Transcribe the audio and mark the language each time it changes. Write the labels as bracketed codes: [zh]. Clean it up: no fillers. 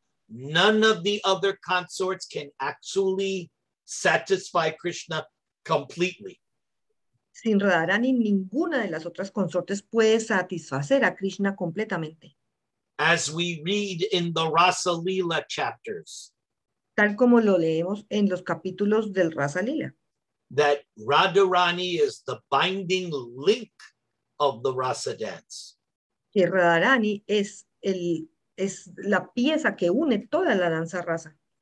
[en] none of the other consorts can actually satisfy Krishna completely. [es] Sin Radharani, ninguna de las otras consortes puede satisfacer a Krishna completamente. [en] As we read in the Rasa Lila chapters, [es] tal como lo leemos en los capítulos del Rasa Lila, [en] that Radharani is the binding link of the Rasa dance. [es] Que Radharani es la pieza que une toda la danza rasa.